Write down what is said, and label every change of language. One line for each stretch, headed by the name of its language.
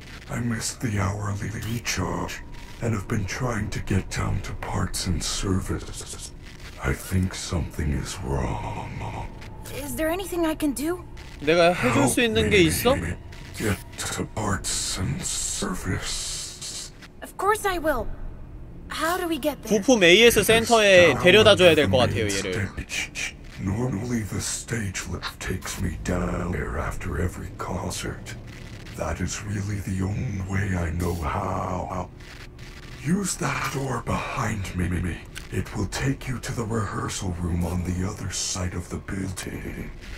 English: I missed the hourly recharge and have been trying to get down to parts and service. I think something is wrong. Is there anything I can do?
Korean: 내가 해줄 수 있는 게 있어?
English: Get to parts and service. Of course I will. How do we get there?
Korean: 부품 AS 센터에 데려다 줘야 될 것 같아요, 얘를.
English: Normally the stage lift takes me down there after every concert. That is really the only way I know how. Use that door behind me. It will take you to the rehearsal room on the other side of the building.